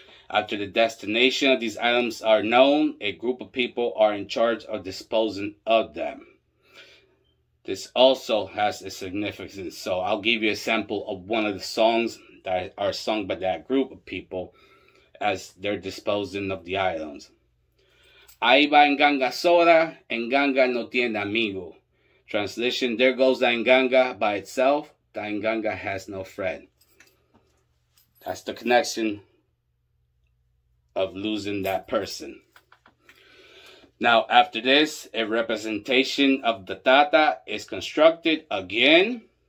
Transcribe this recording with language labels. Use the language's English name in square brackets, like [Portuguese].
[English] After the destination of these items are known, a group of people are in charge of disposing of them. This also has a significance, so I'll give you a sample of one of the songs that are sung by that group of people as they're disposing of the items. [Spanish] Ahí va Nganga sola, Nganga no tiene amigo. [English] Translation, there goes the Nganga by itself, the Nganga has no friend. That's the connection of losing that person. Now, after this, a representation of the Tata is constructed again.